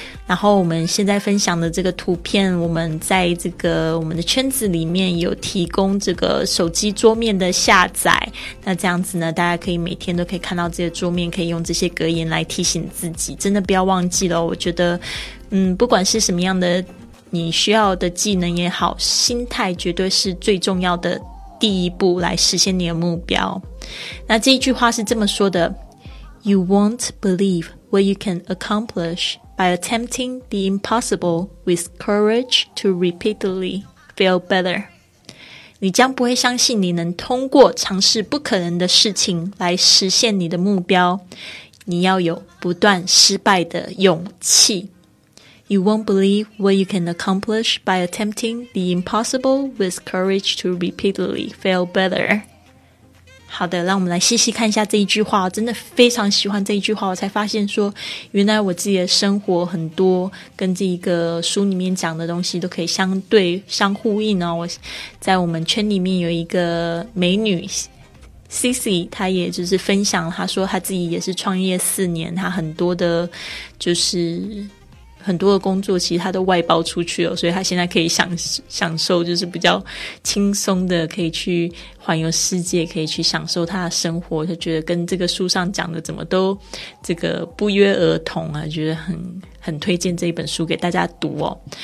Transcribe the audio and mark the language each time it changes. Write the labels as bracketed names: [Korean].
[Chinese] 然后我们现在分享的这个图片，我们在这个我们的圈子里面有提供这个手机桌面的下载，那这样子呢大家可以每天都可以看到这个桌面，可以用这些格言来提醒自己，真的不要忘记了。我觉得不管是什么样的你需要的技能也好，心态绝对是最重要的第一步来实现你的目标。那这一句话是这么说的， [English] You won't believe what you can accomplish by attempting the impossible with courage to repeatedly feel better. [Chinese] 你将不会相信你能通过尝试不可能的事情来实现你的目标，你要有不断失败的勇气。 [English] You won't believe what you can accomplish by attempting the impossible with courage to repeatedly fail better. [Chinese] 好的，让我们来细细看一下这一句话，真的非常喜欢这一句话，我才发现说原来我自己的生活很多跟这一个书里面讲的东西都可以相对相呼应哦。我在我们圈里面有一个美女Cici， 他也就是分享，他说他自己也是创业4年，他很多的就是很多的工作其实他都外包出去了，所以他现在可以享受就是比较轻松的可以去环游世界，可以去享受他的生活，他觉得跟这个书上讲的怎么都这个不约而同啊，觉得很推荐这一本书给大家读哦。